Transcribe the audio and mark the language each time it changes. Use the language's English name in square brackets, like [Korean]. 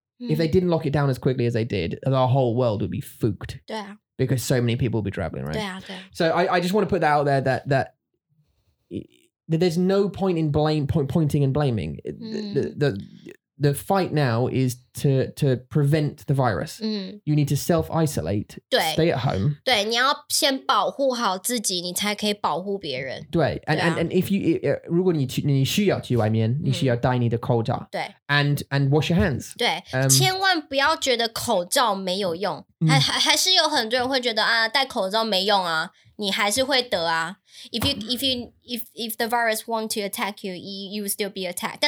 [English] If they didn't lock it down as quickly as they did, the whole world would be fucked. Yeah. Because so many people would be traveling, right? Yeah, yeah. So I just want to put that out there that there's no point in pointing and blaming. Mm. The fight now is to prevent the virus. Mm. You need to self-isolate. Stay at home. [Chinese] 对，你要先保护好自己，你才可以保护别人。对， [English] and if you [Chinese] 如果你需要去外面，你需要戴你的口罩。对， [English] and wash your hands. [Chinese] 对，千万不要觉得口罩没有用，还是有很多人会觉得啊，戴口罩没用啊，你还是会得啊。 [English] If the virus want to attack you, you will still be attacked.